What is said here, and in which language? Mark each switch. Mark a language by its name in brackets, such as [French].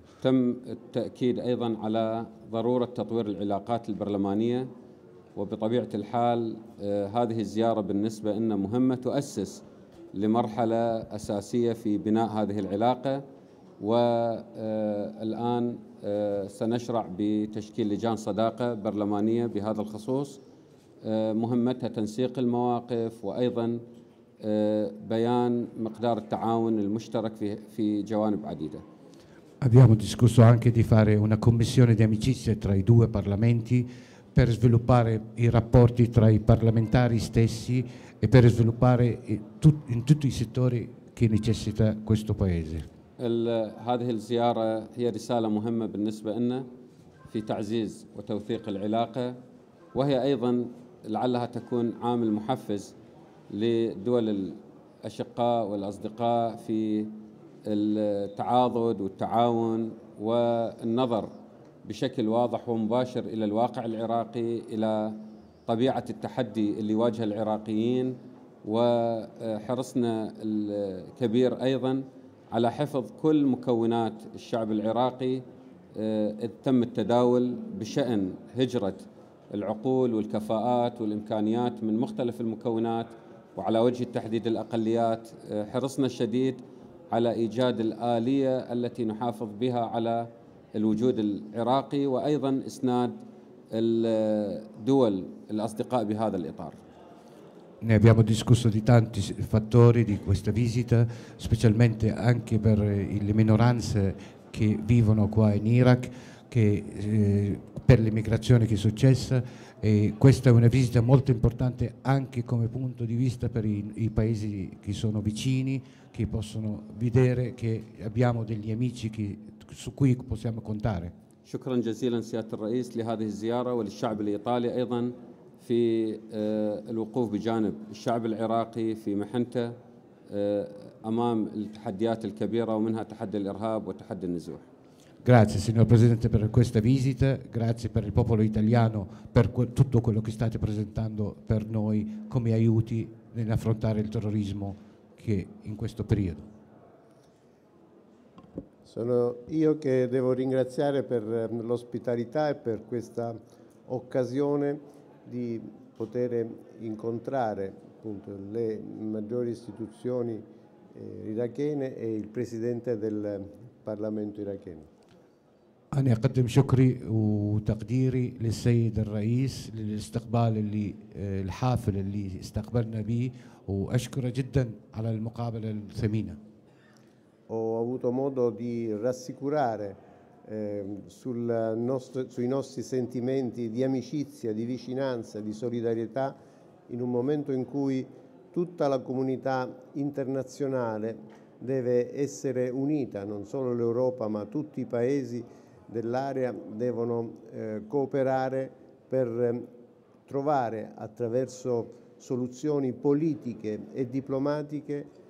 [Arabic] تم التأكيد أيضا على ضرورة تطوير العلاقات البرلمانية، وبطبيعة الحال هذه الزيارة بالنسبة لنا مهمة، تؤسس لمرحلة أساسية في بناء هذه العلاقة، والآن سنشرع بتشكيل لجان صداقة برلمانية بهذا الخصوص، مهمتها تنسيق المواقف وأيضا بيان مقدار التعاون المشترك في جوانب عديدة. [Italian] Abbiamo discusso anche di fare una commissione di amicizia tra i due parlamenti per sviluppare i rapporti tra i parlamentari stessi e per sviluppare in tutti i settori che necessita questo paese. [Arabic] هذه الزيارة هي رسالة مهمة بالنسبة لنا في تعزيز وتوثيق العلاقة، وهي أيضا لعلها تكون عامل محفز للدول الأشقاء والأصدقاء في التعاضد والتعاون والنظر بشكل واضح ومباشر إلى الواقع العراقي، إلى طبيعة التحدي اللي واجه العراقيين، وحرصنا الكبير أيضا على حفظ كل مكونات الشعب العراقي. تم التداول بشأن هجرة العقول والكفاءات والإمكانيات من مختلف المكونات، وعلى وجه التحديد الأقليات حرصنا الشديد على إيجاد الآلية التي نحافظ بها على الوجود العراقي وأيضا إسناد الدول الأصدقاء بهذا الإطار. [Italian] Ne abbiamo discusso di tanti fattori di questa visita, specialmente anche per le minoranze che vivono qua in Iraq, che per l'immigrazione che è successa, e questa è una visita molto importante anche come punto di vista per i paesi che sono vicini, che possono vedere che abbiamo degli amici su cui possiamo contare. [Arabic] شكرا جزيلا سيادة الرئيس لهذه الزيارة وللشعب الإيطالي أيضا في الوقوف بجانب الشعب العراقي في محنته أمام التحديات الكبيرة، ومنها تحدي الإرهاب وتحدي النزوح. [Italian] Grazie signor Presidente per questa visita, grazie per il popolo italiano per tutto quello che state presentando per noi come aiuti nell'affrontare il terrorismo che in questo periodo. Sono io che devo ringraziare per l'ospitalità e per questa occasione di poter incontrare appunto le maggiori istituzioni irachene e il Presidente del Parlamento iracheno. [Arabic] أنا أقدم شكري وتقديري للسيد الرئيس للاستقبال اللي الحافل اللي استقبلنا به، وأشكره جدا على المقابلة الثمينة. [Italian] Ho avuto modo di rassicurare sui nostri sentimenti di amicizia, di vicinanza, di solidarietà in un momento in cui tutta la comunità internazionale deve essere unita, non solo l'Europa ma tutti i paesi dell'area devono cooperare per trovare attraverso soluzioni politiche e diplomatiche